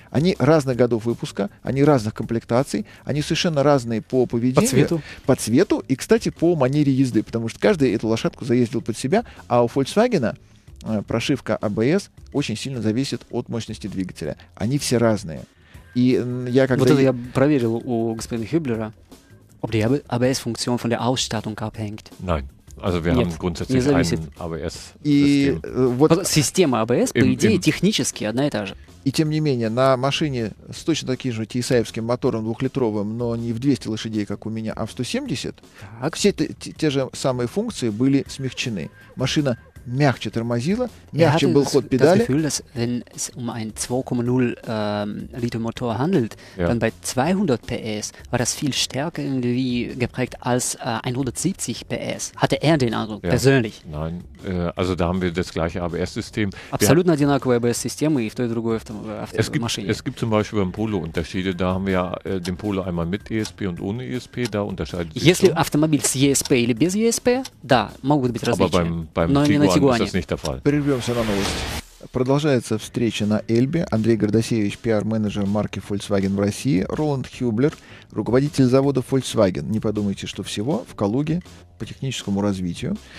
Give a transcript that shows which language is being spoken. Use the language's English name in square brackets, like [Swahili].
[Russian] Они разных годов выпуска, они разных комплектаций, они совершенно разные по поведению. По цвету. По цвету и, кстати, по манере езды, потому что каждый эту лошадку заездил под себя, а у Volkswagen прошивка АБС очень сильно зависит от мощности двигателя. Они все разные. И я когда... Вот это я проверил у господина Хюблера. [German] Ob die ABS-Funktion von der Ausstattung abhängt. Nein, also wir haben grundsätzlich kein ABS-System. [Russian] Система ABS, по идее, технически одна и та же. И тем не менее, на машине с точно таким же TSI-евским мотором двухлитровым, но не в 200 лошадей, как у меня, а в 170, так. Все те же самые функции были смягчены. Машина мягче тормозила, мягче был ход педали. Я [German] das Gefühl, wenn es ein 2,0-Liter Motor handelt, dann bei 200 PS war das viel stärker irgendwie geprägt als 170 PS. Hatte den Eindruck, persönlich. Nein, also da haben wir das gleiche ABS-System. Absolut [Russian] одинаковое ABS-System и в той и другой автомашине. [German] Es gibt zum Beispiel beim Polo Unterschiede, da haben wir den Polo einmal mit ESP und ohne ESP, da unterscheidet sich. [Russian] Если автомобиль с ESP или без ESP, да, могут быть различия. [German] Aber beim [Russian] Перервемся на новость. Продолжается встреча на Эльбе. Андрей Гордосевич, пиар-менеджер марки Volkswagen в России. Роланд Хюблер, руководитель завода Volkswagen. Не подумайте, что всего в Калуге по техническому развитию.